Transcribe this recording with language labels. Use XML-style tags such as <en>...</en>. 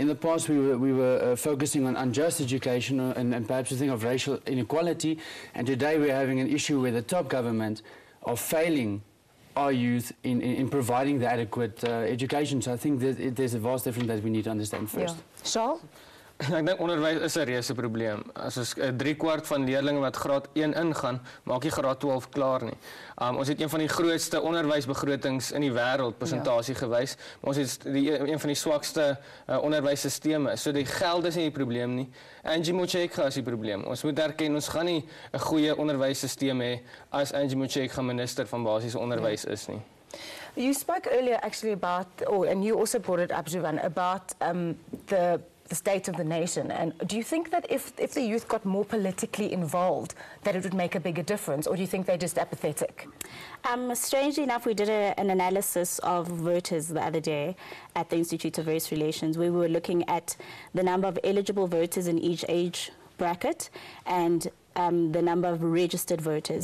<en>In the past, we were focusing on unjust education and perhaps a thing of racial inequality. And today, we're having an issue where the top government are failing our youth in providing the adequate education. So I think that there's a vast difference that we need to understand first. Shaal?</en> <af>Ek dink onderwys is 'n reuse probleem. As ons 3/4 van leerlinge wat graad 1 ingaan, maak jy graad 12 klaar nie. Ons het een van die grootste onderwysbegrotings in die wêreld presentasie gewys, maar ons het een van die swakste onderwysstelsels. So die geld is nie die probleem nie. Angie Motshekga is die probleem. Ons moet erken ons gaan nie 'n goeie onderwysstelsel hê as Angie Motshekga minister van basiese onderwys is nie.</af> <en>You spoke earlier actually about and you also brought it up, Jovan, about the state of the nation, and do you think that if the youth got more politically involved, that it would make a bigger difference, or do you think they're just apathetic? Strangely enough, we did an analysis of voters the other day at the Institute of Race Relations, where we were looking at the number of eligible voters in each age bracket and the number of registered voters.</en>